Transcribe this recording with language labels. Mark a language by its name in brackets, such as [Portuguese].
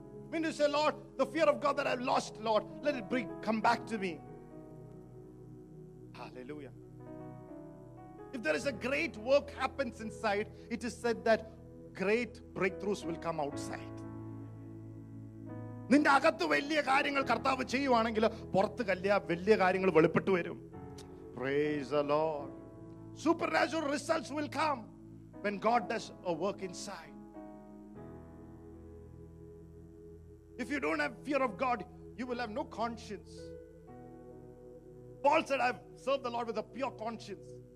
[English] When you say, Lord, the fear of God that I've lost, Lord, let it bring, come back to me. Hallelujah. If there is a great work happens inside, it is said that great breakthroughs will come outside. [Malayalam] നിന്റെ അകത്ത് വലിയ കാര്യങ്ങൾ കർത്താവ് ചെയ്യുവാണെങ്കിൽ പുറത്ത് കല്യ വലിയ കാര്യങ്ങൾ വെളിപ്പെട്ടു വരും. [English] Praise the Lord. Supernatural results will come when God does a work inside. If you don't have fear of God, you will have no conscience. Paul said, I've served the Lord with a pure conscience.